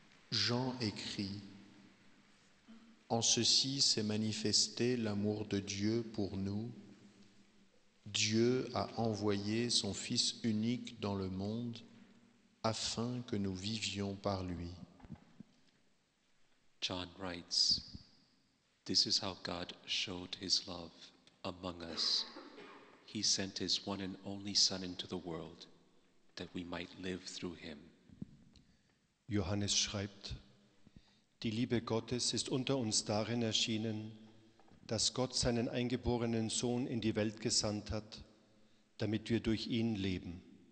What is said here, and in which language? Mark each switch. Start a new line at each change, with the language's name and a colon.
French: Jean écrit : En ceci s'est manifesté l'amour de Dieu pour nous. Dieu a envoyé son Fils unique dans le monde afin que nous vivions par lui.
English: John writes : This is how God showed his love among us. He sent his one and only Son into the world that we might live through him.
German: Johannes schreibt: Die Liebe Gottes ist unter uns darin erschienen, dass Gott seinen eingeborenen Sohn in die Welt gesandt hat, damit wir durch ihn leben.